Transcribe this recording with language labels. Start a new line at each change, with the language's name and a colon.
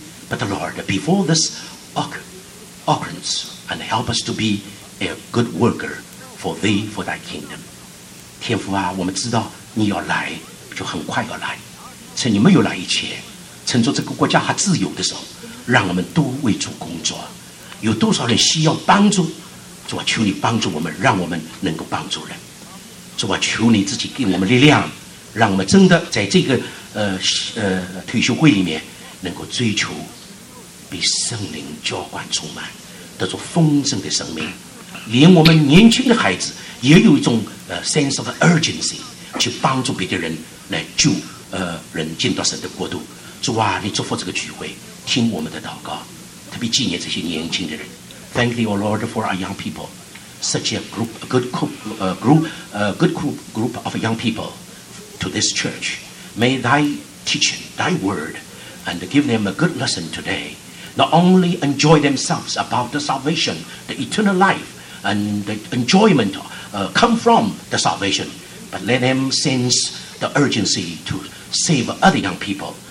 English: But Lord, before this occurrence, and help us to be a good worker for thee, for thy kingdom.
Chinese: 天父啊，我们知道你要来。就很快要来，趁你没有来以前，趁着这个国家还自由的时候，让我们都为主工作。有多少人需要帮助，主啊，求你帮助我们，让我们能够帮助人。主啊，求你自己给我们力量，让我们真的在这个退休会里面能够追求被圣灵浇灌充满，得出丰盛的生命。连我们年轻的孩子也有一种
English: sense of urgency
Chinese: 去帮助别的人来救人进到神的国度。主啊，你祝福这个聚会，听我们的祷告，特别纪念这些年轻的人。
English: Thank you, O Lord, for our young people. Such a good group of young people to this church. May thy teaching, thy word, and give them a good lesson today. Not only enjoy themselves about the salvation, the eternal life, and the enjoyment come from the salvation, but let them sense the urgency to save other young people.